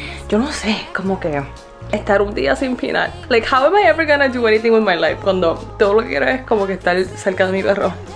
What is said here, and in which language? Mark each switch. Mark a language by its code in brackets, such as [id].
[es] Yo no sé, como que estar un día sin Peanut. [en] Like, how am I ever gonna do anything with my life? [es] Cuando todo lo que quiero es como que estar cerca de mi perro.